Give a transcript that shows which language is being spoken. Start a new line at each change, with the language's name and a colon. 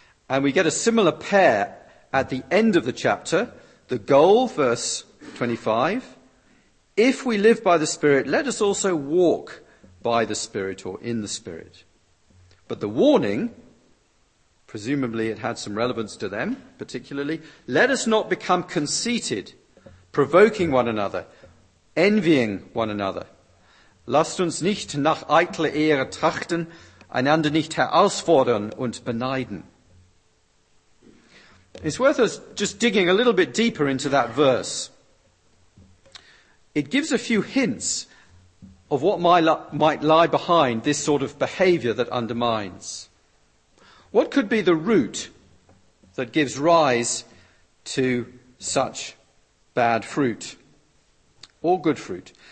English: And we get a similar pair at the end of the chapter, the goal, verse 25, if we live by the Spirit, let us also walk by the Spirit or in the Spirit. But the warning, presumably it had some relevance to them particularly, let us not become conceited, provoking one another, envying one another.
German: Lasst uns nicht nach eitler Ehre trachten, einander nicht herausfordern und beneiden.
English: It's worth us just digging a little bit deeper into that verse. It gives a few hints of what might lie behind this sort of behavior that undermines. What could be the root that gives rise to such bad fruit or good fruit?